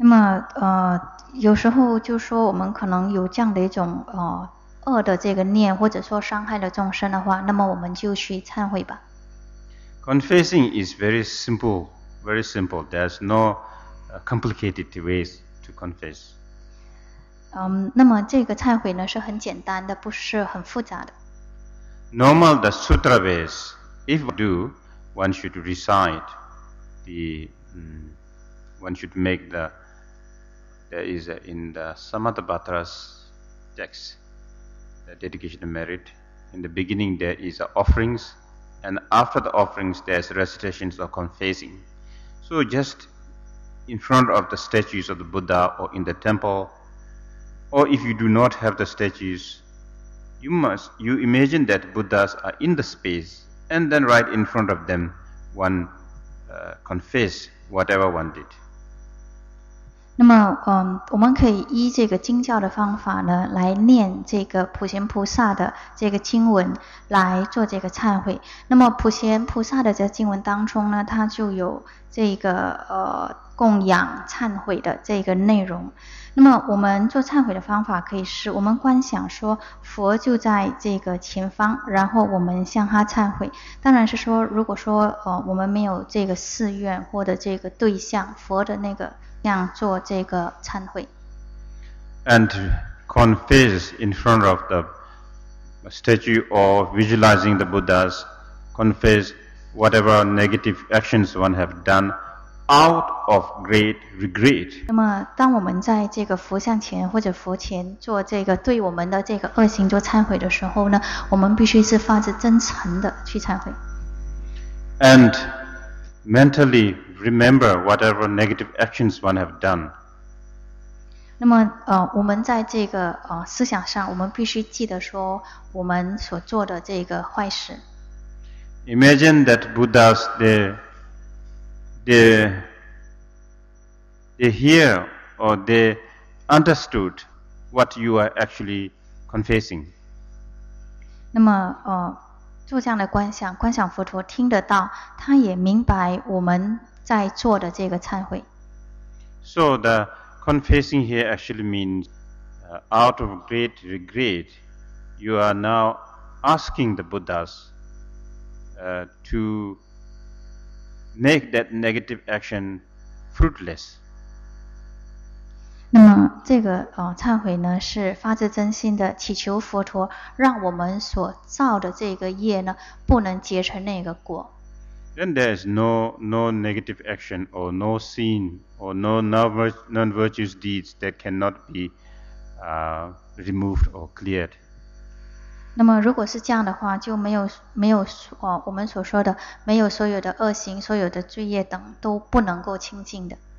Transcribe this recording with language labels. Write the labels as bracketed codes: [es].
[zh] 那么有时候就说我们可能有这样的一种恶的这个念，或者说伤害了众生的话，那么我们就去忏悔吧。 [en] Confessing is very simple, very simple. There's no complicated ways to confess. [zh] 那么这个忏悔呢是很简单的，不是很复杂的。 [en] Normal the sutra ways, if do, one should recite the, one should make the, there is in the Samatabhadra's text, the dedication of merit. In the beginning there is offerings. And after the offerings, there's recitations or confessing. So just in front of the statues of the Buddha or in the temple, or if you do not have the statues, you imagine that Buddhas are in the space, and then right in front of them, one confess whatever one did. [zh] 那么我们可以依这个经教的方法呢，来念这个普贤菩萨的这个经文来做这个忏悔。那么普贤菩萨的这个经文当中呢，它就有这个供养忏悔的这个内容。那么我们做忏悔的方法可以是，我们观想说佛就在这个前方，然后我们向他忏悔。当然是说，如果说我们没有这个寺院或者这个对象，佛的那个像做这个忏悔。 [en] And confess in front of the statue or visualizing the Buddhas, confess whatever negative actions one have done. Out of great regret. [zh] 那么，当我们在这个佛像前或者佛前做这个对我们的这个恶行做忏悔的时候呢，我们必须是发自真诚的去忏悔。 [en] And mentally remember whatever negative actions one have done. [zh] 那么，我们在这个思想上，我们必须记得说我们所做的这个坏事。 [en] Imagine that Buddha's there. They hear or they understood what you are actually confessing. [zh] 那么做这样的观想，观想佛陀听得到，他也明白我们在做的这个忏悔。 [en] So the confessing here actually means out of great regret, you are now asking the Buddhas to. Make that negative action fruitless. [zh] 那么这个忏悔呢，是发自真心的祈求佛陀，让我们所造的这个业呢，不能结成那个果。 [en] Then there is no negative action or no sin or no non-virtuous deeds that cannot be removed or cleared. [zh] 那么如果是这样的话，就没有我们所说的没有所有的恶行、所有的罪业等都不能够清净的。